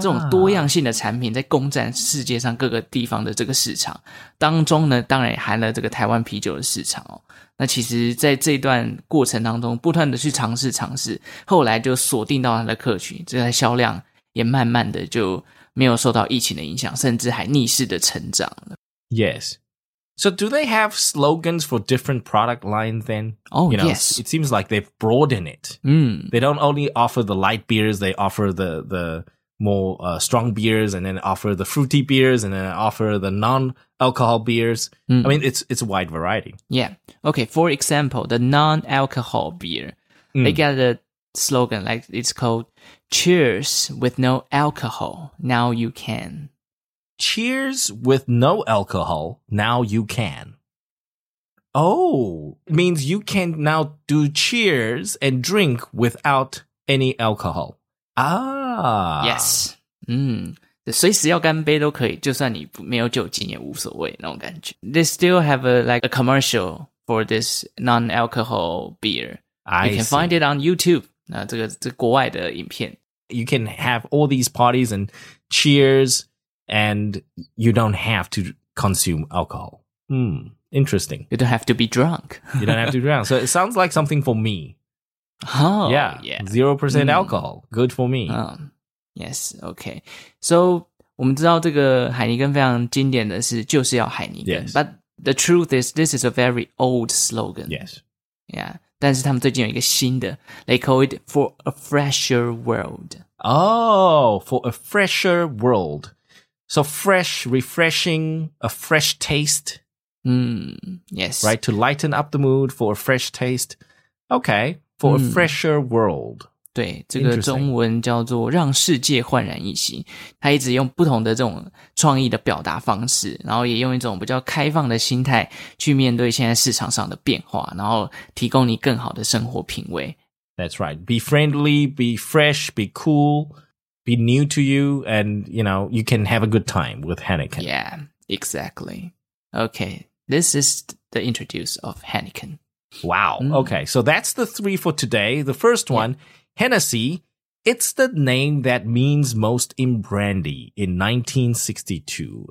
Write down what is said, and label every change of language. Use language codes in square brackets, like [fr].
[zh] 这种多样性的产品在攻占世界上各个地方的这个市场当中呢，当然也含了这个台湾啤酒的市场、哦、那其实在这段过程当中不断的去尝试后来就锁定到它的客群，这台销量也慢慢的就没有受到疫情的影响，甚至还逆势的成长了。 [en] Yes. So do they have slogans for different product lines then? Oh, you know, yes. It seems like they've broadened it. Mm. They don't only offer the light beers, they offer the more strong beers, and then offer the fruity beers, and then offer the non-alcohol beers. Mm. I mean, it's a wide variety. Yeah. Okay, for example, the non-alcohol beer, they got a slogan, like it's called, Cheers with no alcohol, now you can. Cheers with no alcohol, now you can. Oh, means you can now do cheers and drink without any alcohol. Ah. Yes. [zh] 随时要干杯都可以，就算你没有酒精也无所谓，那种感觉。 [en] They still have a commercial for this non-alcohol beer. I can find it on YouTube. [zh] 那这国外的影片。 [en] You can have all these parties and cheers. And you don't have to consume alcohol. Hmm, interesting. You don't have to be drunk. You don't have to be drunk. So it sounds like something for me. Oh, yeah. 0% alcohol. Good for me. Yes, okay. [zh] So, 我们知道这个海尼根非常经典的是就是要海尼根。 [en] Yes. But the truth is, this is a very old slogan. Yes. Yeah. [zh] 但是他们最近有一个新的 [en] They call it for a fresher world. Oh, for a fresher world. So fresh, refreshing, a fresh taste. Yes. Right, to lighten up the mood for a fresh taste. Okay, for a fresher world. [zh] 对，这个中文叫做让世界焕然一新。他一直用不同的这种创意的表达方式，然后也用一种比较开放的心态去面对现在市场上的变化，然后提供你更好的生活品味。 [en] That's right. Be friendly, be fresh, be cool. Be new to you, and you know, you can have a good time with Heineken. Yeah, exactly. Okay, this is the introduce of Heineken. Wow. Okay, so that's the three for today. The first one, Hennessy, it's the name that means most in brandy in 1962.